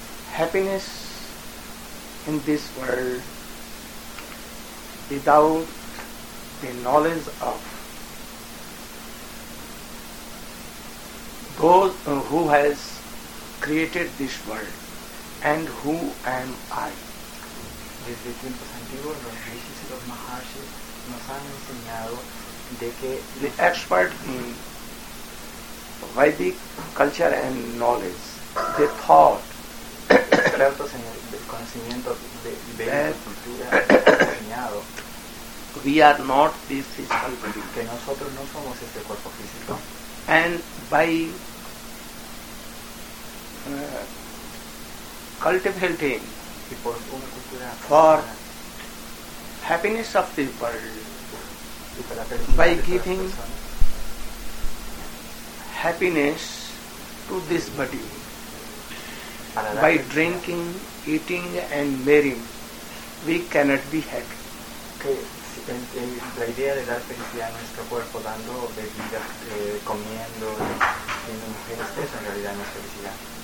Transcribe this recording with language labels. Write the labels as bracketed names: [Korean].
[Spanish] happiness in this world without the knowledge of those who has created this world and who am I. desde tiempos antiguos los rishis y los maharshis nos han enseñado de que [English] the expert in Vedic culture and knowledge, they thought [Spanish] expertos en el conocimiento de la cultura enseñado [English] we are not this physical body, [Spanish] que nosotros no somos este cuerpo físico, [English] and by cultivating [Spanish] por una cultura [English] for happiness of the world, by giving happiness to this body, by drinking, eating and marrying, we cannot be happy. [Spanish] La idea de dar felicidad a nuestro cuerpo dando bebida, comiendo, teniendo mujeres, eso en realidad no es felicidad.